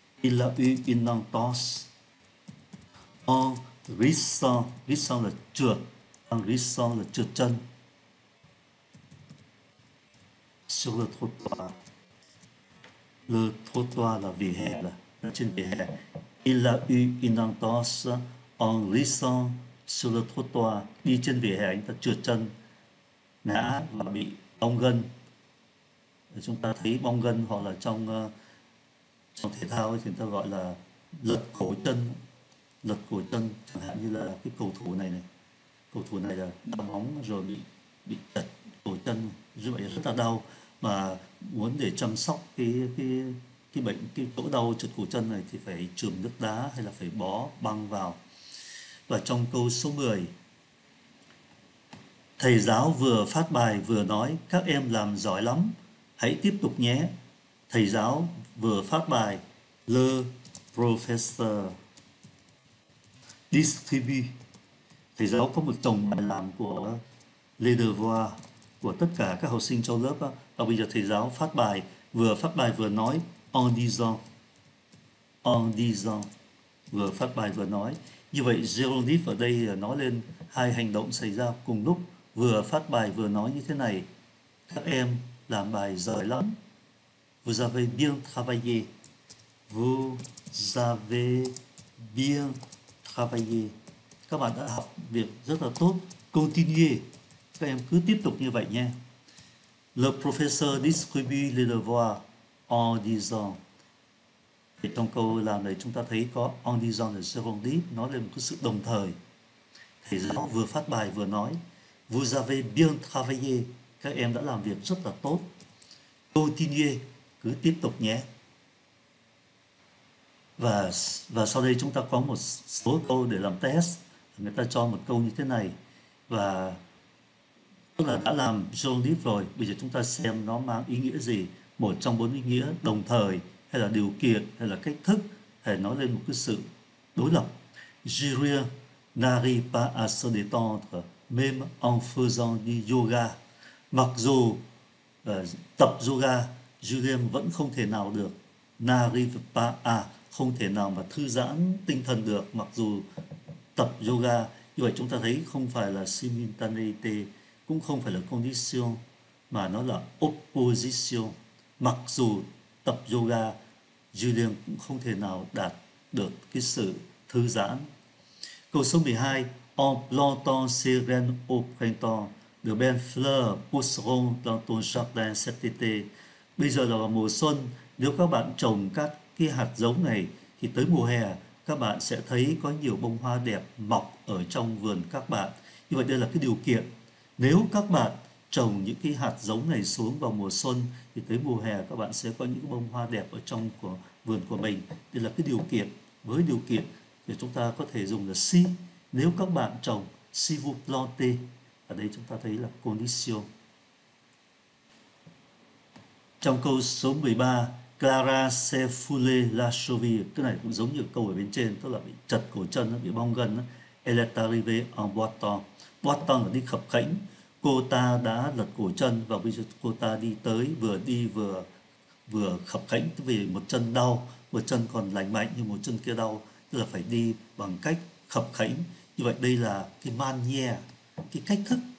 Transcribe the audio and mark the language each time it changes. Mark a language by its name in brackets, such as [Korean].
[French] Il l'a eu une entorse. En glissant. Glissant [Vietnamese] là trượt. [French] En glissant [Vietnamese] là trượt chân. [French] Sur le trottoir. Le trottoir [Vietnamese] là vỉa hè, là trên vỉa hè. [French] Il a eu une entorse en glissant sur le trottoir. [Vietnamese] Đi trên vỉa hè, anh ta trượt chân, ngã và bị bong gân. Chúng ta thấy bong gân hoặc là trong thể thao thì người ta gọi là lật cổ chân. Lật cổ chân chẳng hạn như là cái cầu thủ này này. Cầu thủ này là đá bóng rồi bị lật cổ chân. Như vậy rất là đau, mà muốn để chăm sóc cái bệnh, cái chỗ đau trượt cổ chân này thì phải chườm nước đá hay là phải bó băng vào. Và trong câu số 10, thầy giáo vừa phát bài vừa nói các em làm giỏi lắm, hãy tiếp tục nhé. Thầy giáo vừa phát bài. [French] Le professeur distribue. [Vietnamese] Thầy giáo có một chồng bài làm của Les Devoirs của tất cả các học sinh trong lớp đó. Và bây giờ thầy giáo phát bài vừa nói. [French] En disant. En disant. [Vietnamese] Vừa phát bài vừa nói. Như vậy gerondif ở đây nói lên hai hành động xảy ra cùng lúc. Vừa phát bài vừa nói như thế này. Các em làm bài giỏi lắm. [French] Vous avez bien travaillé. Vous avez bien travaillé. [Vietnamese] Các bạn đã học việc rất là tốt. [French] Continuez. [Vietnamese] Các em cứ tiếp tục như vậy nha. [French] Le professeur distribue les devoirs en disant. [Vietnamese] Thì trong câu làm này chúng ta thấy có en disant là gerondif, nói lên một cái sự đồng thời. Thầy giáo vừa phát bài vừa nói. Vous avez bien travaillé. Các em đã làm việc rất là tốt. [French] Continuez. [Vietnamese] Cứ tiếp tục nhé. Và sau đây chúng ta có một số câu để làm test. Người ta cho một câu như thế này. Và tức là đã làm gerondif rồi, bây giờ chúng ta xem nó mang ý nghĩa gì. Một trong bốn ý nghĩa: đồng thời, hay là điều kiện, hay là cách thức, hay nói lên một cái sự đối lập. [French] Julien n'arrive pas à se détendre, même en faisant du yoga. [Vietnamese] Mặc dù tập yoga, Julien vẫn không thể nào được. [French] N'arrive pas à, [Vietnamese] không thể nào mà thư giãn tinh thần được, mặc dù tập yoga. Như vậy chúng ta thấy không phải là simultaneity, cũng không phải là condition, mà nó là opposition. Mặc dù tập yoga, Julien cũng không thể nào đạt được cái sự thư giãn. Câu số 12. [French] En plantant ses graines au printemps, de belles fleurs pousseront dans ton jardin cet été. [Vietnamese] Bây giờ là mùa xuân, nếu các bạn trồng các cái hạt giống này, thì tới mùa hè, các bạn sẽ thấy có nhiều bông hoa đẹp mọc ở trong vườn các bạn. Như vậy đây là cái điều kiện. Nếu các bạn trồng những cái hạt giống này xuống vào mùa xuân thì tới mùa hè các bạn sẽ có những bông hoa đẹp ở trong của vườn của mình. Đây là cái điều kiện. Với điều kiện thì chúng ta có thể dùng là si. Nếu các bạn trồng, [French] si vous plantez. [Vietnamese] Ở đây chúng ta thấy là condition. Trong câu số 13, [French] Clara s'est foulé la cheville. [Vietnamese] Cái này cũng giống như câu ở bên trên, tức là bị chật cổ chân, bị bong gân. [French] Elle est arrivée en boitant. [Vietnamese] Boston là đi khập khễnh. Cô ta đã lật cổ chân và bây giờ cô ta đi tới, vừa đi vừa khập khễnh vì một chân đau, một chân còn lành mạnh nhưng một chân kia đau, tức là phải đi bằng cách khập khễnh. Như vậy đây là cái manière, cái cách thức